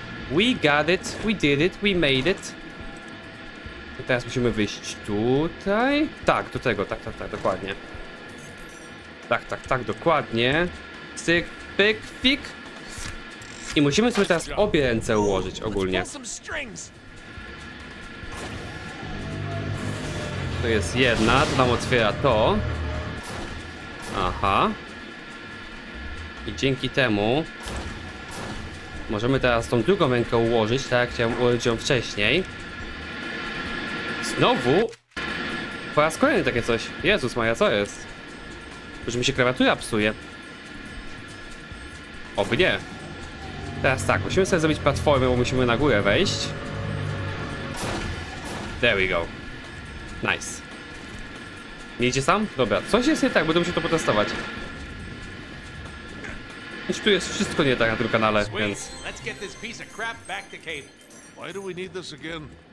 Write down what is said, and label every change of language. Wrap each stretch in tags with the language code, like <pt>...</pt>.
<en>We got it, we did it, we made it.</en> <pl>I teraz musimy wyjść tutaj. Tak, do tego, tak, dokładnie. Tak, dokładnie. Cyk, pyk, pik. I musimy sobie teraz obie ręce ułożyć ogólnie. To jest jedna, to nam otwiera to. Aha. I dzięki temu możemy teraz tą drugą rękę ułożyć, tak jak chciałem ułożyć ją wcześniej. Znowu po raz kolejny takie coś. Jezus Maria, co jest? Że mi się krawatura psuje. Oby nie. Teraz tak, musimy sobie zrobić platformę, bo musimy na górę wejść.</pl> <en>There we go. Nice.</en> <pl>Nie idzie sam? Dobra, coś jest nie tak, będę musiał to potestować. Więc tu jest wszystko nie tak na tym kanale, więc...</pl> <en>Let's get this piece of crap back to cable. Why do we need this again?</en>